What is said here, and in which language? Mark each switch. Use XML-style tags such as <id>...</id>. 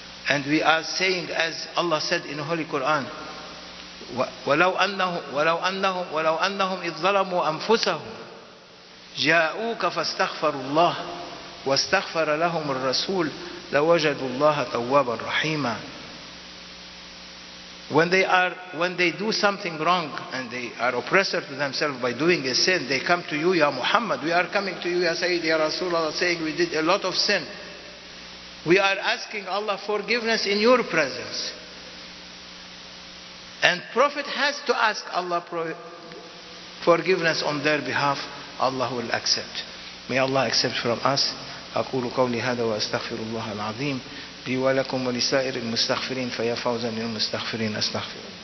<en>And we are saying, as Allah said in the Holy Quran,</en> <ar>ولو أنهم إذ ظلموا أنفسهم جاءوك فاستغفروا الله واستغفر لهم الرسول لوجدوا الله توابا رحيما.</ar> <en>When they do something wrong and they are oppressor to themselves by doing a sin, they come to you, Ya Muhammad. We are coming to you, Ya Sayyidi, Ya Rasulullah, saying we did a lot of sin. We are asking Allah forgiveness in your presence. And Prophet has to ask Allah forgiveness on their behalf. Allah will accept. May Allah accept from us.</en> <ar>أقول قولي هذا وأستغفر الله العظيم لي ولكم ولسائر المستغفرين فيا فوزا للمستغفرين أستغفر.</ar>